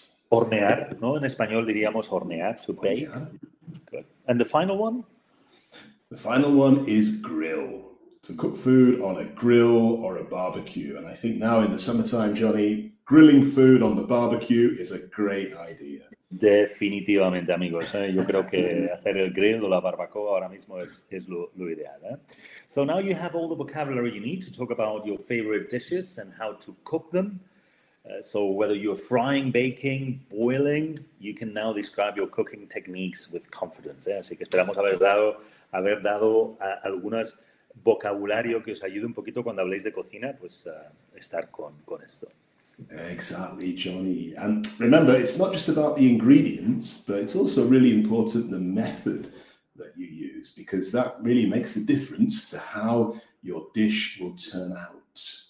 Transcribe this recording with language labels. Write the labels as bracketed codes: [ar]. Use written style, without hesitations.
[es] Hornear, ¿no? En español diríamos hornear, [en] to bake. Good. And the final one? The final one is grill, to cook food on a grill or a barbecue. And I think now in the summertime, Johnny, grilling food on the barbecue is a great idea. [es] Definitivamente, amigos. Yo creo que hacer el grill o la barbacoa ahora mismo es lo ideal. [en] So now you have all the vocabulary you need to talk about your favorite dishes and how to cook them. So whether you're frying, baking, boiling, you can now describe your cooking techniques with confidence. [es] Así que esperamos haber dado algunas vocabulario que os ayude un poquito cuando habléis de cocina, pues estar con esto. [en] Exactly, Johnny. And remember, it's not just about the ingredients, but it's also really important the method that you use, because that really makes the difference to how your dish will turn out.